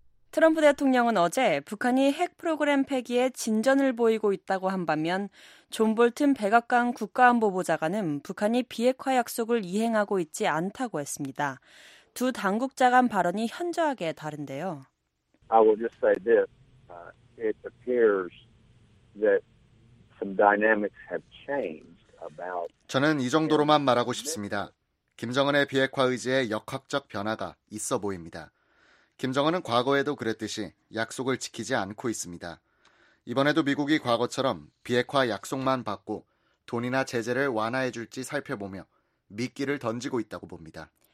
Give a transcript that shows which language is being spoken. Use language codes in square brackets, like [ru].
[ko] 트럼프 대통령은 어제 북한이 핵 프로그램 폐기에 진전을 보이고 있다고 한 반면 존 볼튼 백악관 국가안보보좌관은 북한이 비핵화 약속을 이행하고 있지 않다고 했습니다. 두 당국자 간 발언이 현저하게 다른데요. [en] I will just say this. It appears that some dynamics have changed about. [ko] 저는 이 정도로만 말하고 싶습니다. 김정은의 비핵화 의지에 역학적 변화가 있어 보입니다. 김정은은 과거에도 그랬듯이 약속을 지키지 않고 있습니다. 이번에도 미국이 과거처럼 비핵화 약속만 받고 돈이나 제재를 완화해줄지 살펴보며 미끼를 던지고 있다고 봅니다.